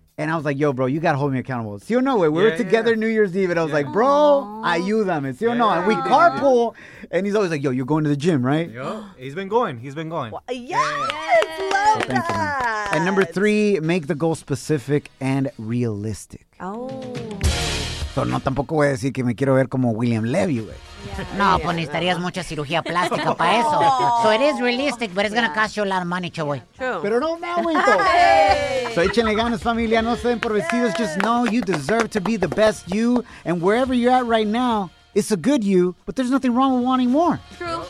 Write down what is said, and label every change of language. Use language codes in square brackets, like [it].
[en] And I was like, yo, bro, you got to hold me accountable. See or no way. We were together New Year's Eve. And I was like, bro, [es] ayúdame. [en] See or no. And we carpool. And he's always like, yo, you're going to the gym, right? Yo, he's been going. He's been going. Well, Love that. And number three, make the goal specific and realistic. [es] So no, tampoco voy a decir que me quiero ver como William Levy, güey. Pues necesitarías mucha cirugía plástica para eso. [en] So it is realistic, but it's going to cost you a lot of money, chavoy. True. [es] Pero no, momento. So échenle ganas, familia. No se den por vestidos. [en] Just know you deserve to be the best you. And wherever you're at right now, it's a good you, but there's nothing wrong with wanting more. True.